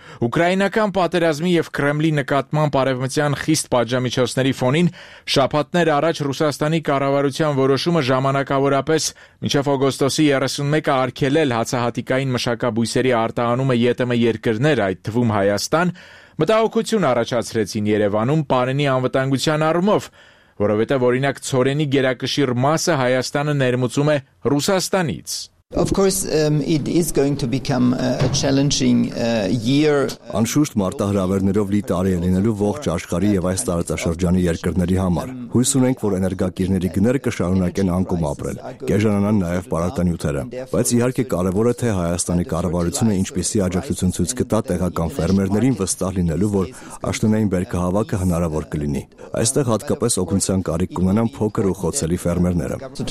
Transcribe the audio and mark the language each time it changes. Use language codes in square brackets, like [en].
[hy] Ուկրաինական պատերազմի և Կրեմլի նկատմամբ արևմտյան խիստ պատժամիջոցների ֆոնին շաբաթներ առաջ Ռուսաստանի կառավարության որոշումը ժամանակավորապես մինչև օգոստոսի 31-ը արգելել հացահատիկային մշակաբույսերի արտահանումը ԵՏՄ երկրներ, այդ թվում Հայաստան, մտահոգություն առաջացրեցին Երևանում Պարենի անվտանգության առումով, որովհետև օրինակ ցորենի գերակշիռ մասը Հայաստանը ներմուծում է Ռուսաստանից։ [en] Of course, it is going to become a challenging year. [hy] Անշուշտ մարտահրավերներով լի տարի է լինելու ողջ աշխարհի եւ այս տարածաշրջանի երկրների համար։ Հույս ունենք, որ էներգակիրների գները կշարունակեն անկում ապրել, կեժանանան նաեւ պարարտանյութերը։ Բայց իհարկե կարևոր է, թե Հայաստանի կառավարությունը ինչպեսի աջակցություն ցույց կտա տեղական ֆերմերներին վստահ լինելու, որ աշտոնային բերքահավաքը հնարավոր կլինի։ Այստեղ հատկապես օգնության կարիք կունենան փոքր ու խոցելի ֆերմերները։